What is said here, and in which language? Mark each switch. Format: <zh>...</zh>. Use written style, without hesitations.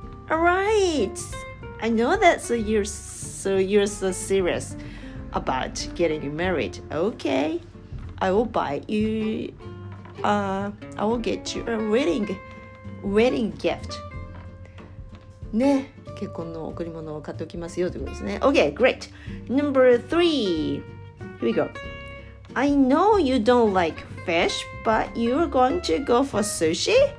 <en>Alright! I know that so you're so serious about getting married. Okay, I will get you a wedding gift.</en> <ja>ね結婚の贈り物を買っておきますよということですね。</ja> <en>Okay, great. Number three. Here we go. I know you don't like fish, but you're going to go for sushi?</en>